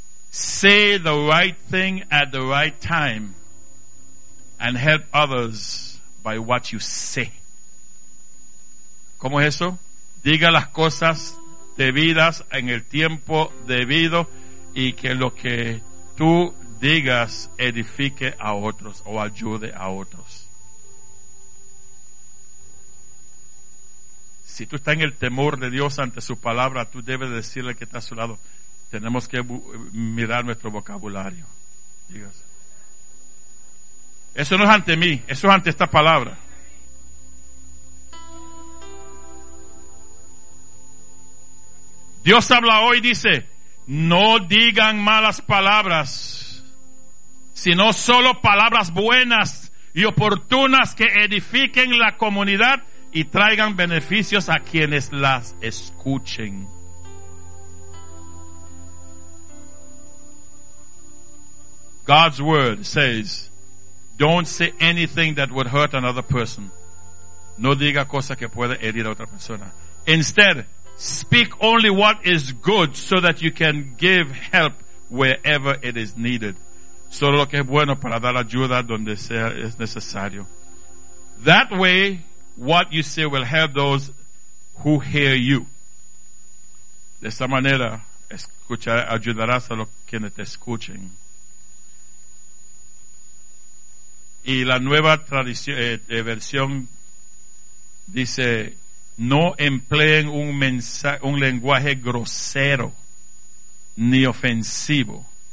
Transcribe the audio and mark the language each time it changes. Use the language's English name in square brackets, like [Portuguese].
[English] Say the right thing at the right time and help others by what you say. [Spanish] ¿Cómo es eso? Diga las cosas debidas en el tiempo debido y que lo que tú digas edifique a otros o ayude a otros. Si tú estás en el temor de Dios ante su palabra, tú debes decirle que está a su lado. Tenemos que mirar nuestro vocabulario. Dígase. Eso no es ante mí, eso es ante esta palabra. Dios habla hoy, dice, no digan malas palabras, sino solo palabras buenas y oportunas que edifiquen la comunidad y traigan beneficios a quienes las escuchen. [English] God's word says, don't say anything that would hurt another person. [Spanish] No diga cosa que pueda herir a otra persona. [English] Instead, speak only what is good so that you can give help wherever it is needed. [Spanish] Solo lo que es bueno para dar ayuda donde sea es necesario. [English] That way, what you say will help those who hear you. [Spanish] De esta manera, ayudarás a los quienes te escuchen. Y la nueva versión dice, no empleen un lenguaje grosero ni ofensivo.